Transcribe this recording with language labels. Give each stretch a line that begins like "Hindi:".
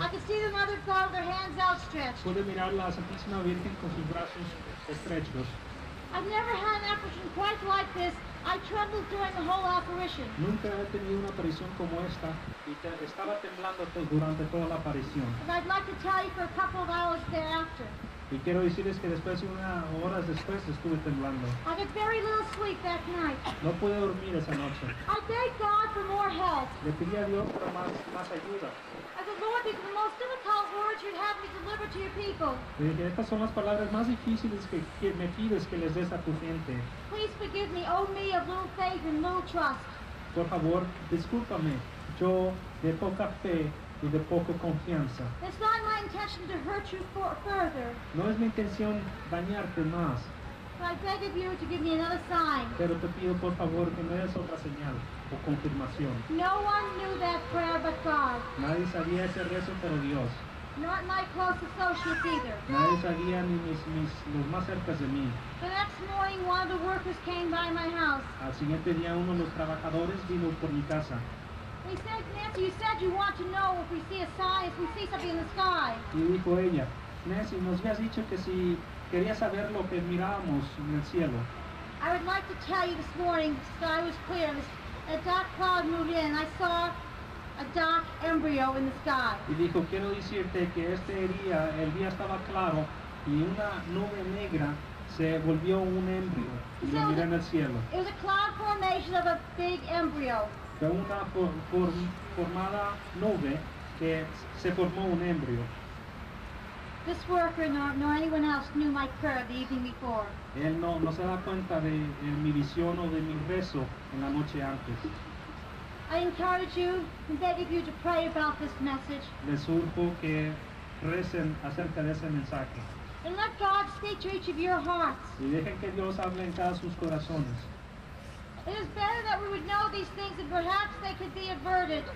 English: I could see the mother with their hands outstretched.
Spanish: Pude mirar la Santísima Virgen con sus brazos estrechos.
English: I've never had an apparition quite like this. I trembled during the whole apparition.
Spanish: Nunca he tenido una aparición como esta y estaba temblando durante toda la aparición.
English: And I'd like to tell you for a couple of hours thereafter.
Spanish: Y quiero decirles que después de unas horas después estuve temblando.
English: I had very little sleep that night.
Spanish: No pude dormir esa noche.
English: I begged God for more help.
Spanish: Le pedí a Dios para más ayuda.
English: I said, Lord, these are the most difficult words you'd have me deliver to your people.
Spanish: Le dije, estas son las palabras más difíciles que me pides que les des a tu gente.
English: Please forgive me, oh me of little faith and little trust.
Spanish: Por favor, discúlpame, yo de poca fe y de poca confianza.
English: It's not my intention to hurt you further.
Spanish: No es mi intención dañarte más.
English: But I beg of you to give me another sign.
Spanish: Pero te pido por favor que me des otra señal o confirmación.
English: No one knew that prayer but God.
Spanish: Nadie sabía ese rezo pero Dios.
English: Not my close associates either.
Spanish: Nadie sabía ni mis los más cercanos de mí.
English: The next morning, one of the workers came by my house.
Spanish: Al siguiente día, uno de los trabajadores vino por mi casa.
English: He said, Nancy, you said you want to know if we see a sign, if we see something in the sky.
Spanish: Y dijo ella, Nancy, nos habías dicho que si querías saber lo que mirábamos en el cielo.
English: I would like to tell you this morning, the sky was clear, a dark cloud moved in, I saw a dark embryo in the sky.
Spanish: Y dijo, quiero decirte que este día, el día estaba claro, y una nube negra se volvió un embrio, y lo miré en el cielo.
English: It was a cloud formation of a big embryo.
Spanish: De una formada nube que se formó un embrio.
English: This worker nor anyone else knew my prayer the evening before.
Spanish: Él no se da cuenta de mi visión o de mi rezo en la noche antes.
English: I encourage you and beg of you to pray about this message.
Spanish: Les urjo que recen acerca de ese mensaje.
English: And let God speak to each of your hearts.
Spanish: Y dejen que Dios hable en cada sus corazones.
English: It is better that we would know these things and perhaps they could be averted.